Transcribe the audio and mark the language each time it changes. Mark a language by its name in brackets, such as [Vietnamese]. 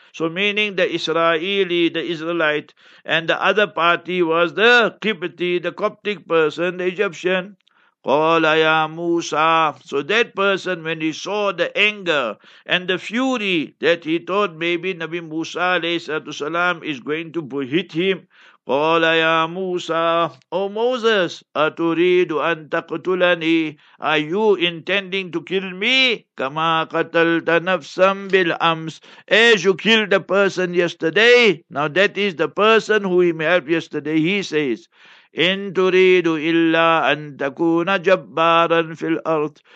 [English] So meaning the Israeli, the Israelite, and the other party was the Qibti, the Coptic person, the Egyptian. [Arabic] قَالَ يَا مُوسَى. [English] So that person, when he saw the anger and the fury that he thought maybe Nabi Musa a.s. is going to hit him. [Arabic] قَالَ يَا مُوسَى. [English] O Moses, [Arabic] أَتُرِيدُ أَن تَقْتُلَنِي. [English] Are you intending to kill me? [Arabic] كَمَا قَتَلْتَ نَفْسًا بِالْأَمْسِ. [English] As you killed the person yesterday. Now that is the person who he helped yesterday, he says. [Arabic] إِن تُرِيدُ إِلَّا أَن تَكُونَ جَبَّارًا فِي الْأَرْضِ.